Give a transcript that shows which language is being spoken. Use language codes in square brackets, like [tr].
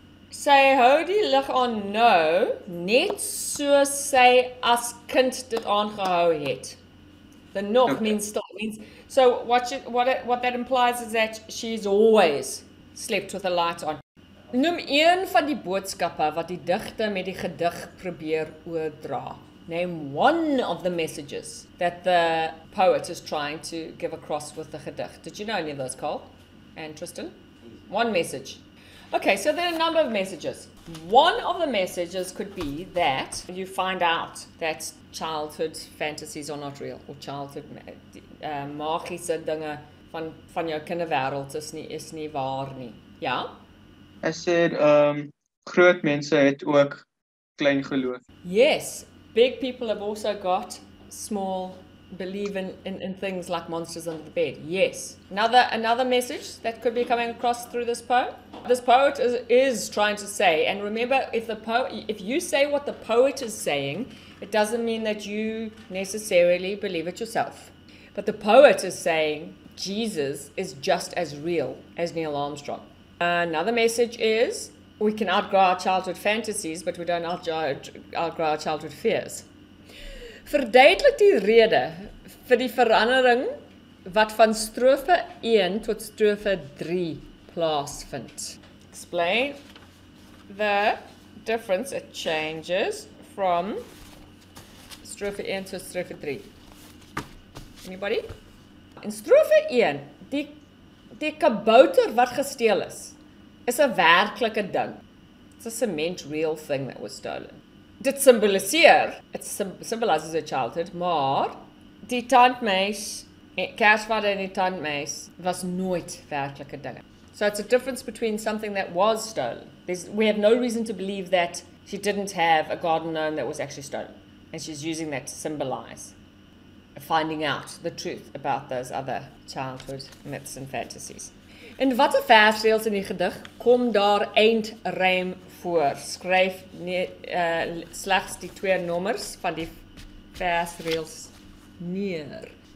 [af] Sy hou die lig aan nou, net soos sy as kind dit aangehou het. [en] The nog okay. means still means. So what that implies is that she's always slept with the light on. [af] Noem een van die boodskappe wat die digter met die gedig probeer oordra. [en] Name one of the messages that the poet is trying to give across with the gedig. Did you know any of those, Cole? And Tristan, one message. Okay, so there are a number of messages. One of the messages could be that you find out that childhood fantasies are not real, or childhood [af] magiese dinge van jou kinderwêreld is nie waar nie. [en] Ja? I said, [af] groot mense het ook klein geloof. [en] Yes, big people have also got small believe in things like monsters under the bed. Yes. Another message that could be coming across through this poem. this poet is trying to say, and remember, if you say what the poet is saying, it doesn't mean that you necessarily believe it yourself. But the poet is saying Jesus is just as real as Neil Armstrong. Another message is, we can outgrow our childhood fantasies, but we don't outgrow our childhood fears. [af] Verduidelik die rede vir die verandering wat van strofe 1 tot strofe 3 plaasvind. [en] Explain the difference it changes from strofe 1 tot strofe 3. Anybody? [af] In strofe 1, die kabouter wat gesteel is, is 'n werklike ding. [en] It's a cement real thing that was stolen. [af] Dit simboliseer, [en] it symbolizes a childhood, [af] maar die tandmeis, kersvader en die tandmeis, was nooit werklike dinge. [en] So it's a difference between something that was stolen. We have no reason to believe that she didn't have a garden gnome that was actually stolen. And she's using that to symbolize finding out the truth about those other childhood myths and fantasies. [af] In watter versreels in die gedig kom daar eindrym voor? Skryf slegs die twee nommers van die versreels neer.